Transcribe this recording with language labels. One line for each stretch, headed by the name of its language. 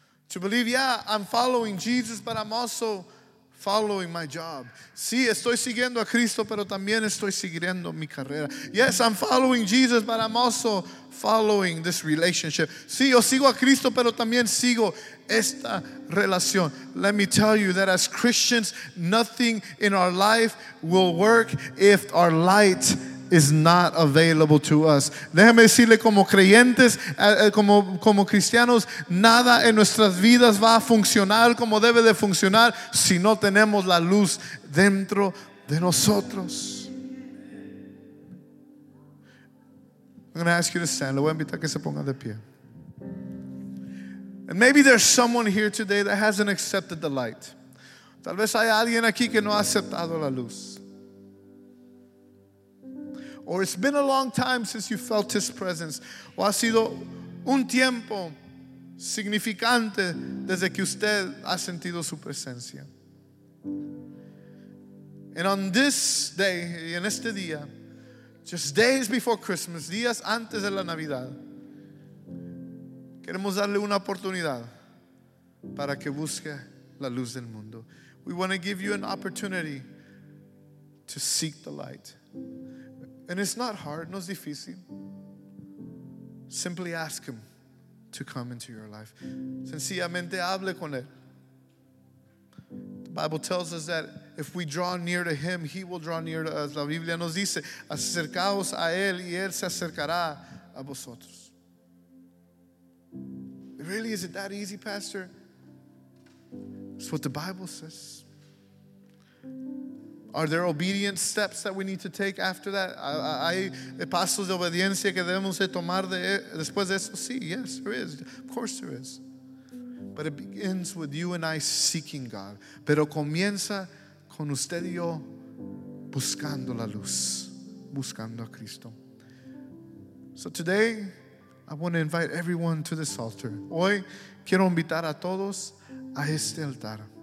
English: To believe, yeah, I'm following Jesus, but I'm also following my job.
Spanish: Sí, estoy siguiendo a Cristo, pero también estoy siguiendo mi carrera.
English: Yes, I'm following Jesus, but I'm also following this relationship.
Spanish: Sí, yo sigo a Cristo, pero también sigo esta relación.
English: Let me tell you that as Christians, nothing in our life will work if our light is not available to us.
Spanish: Déjame decirle, como creyentes, como cristianos, nada en nuestras vidas va a funcionar como debe de funcionar si no tenemos la luz dentro de nosotros.
English: I'm going to ask you to stand.
Spanish: Le voy a invitar a que se ponga de pie.
English: And maybe there's someone here today that hasn't accepted the light.
Spanish: Tal vez hay alguien aquí que no ha aceptado la luz.
English: Or it's been a long time since you felt his presence.
Spanish: O ha sido un tiempo significante desde que usted ha sentido su presencia.
English: And on this day,
Spanish: en este día,
English: just days before Christmas,
Spanish: días antes de la Navidad, queremos darle una oportunidad para que busque la luz del mundo.
English: We want to give you an opportunity to seek the light. And it's not hard,
Spanish: no es difícil.
English: Simply ask him to come into your life.
Spanish: Sencillamente hable con él.
English: The Bible tells us that if we draw near to him, he will draw near to us.
Spanish: La Biblia nos dice, acercaos a él y él se acercará a vosotros.
English: Really, is it that easy, Pastor? It's what the Bible says. Are there obedience steps that we need to take after that?
Spanish: ¿Hay pasos de obediencia que debemos tomar después de eso?
English: Sí, yes, there is. Of course there is. But it begins with you and I seeking God.
Spanish: Pero comienza con usted y yo buscando la luz, buscando a Cristo.
English: So today, I want to invite everyone to this altar.
Spanish: Hoy quiero invitar a todos a este altar.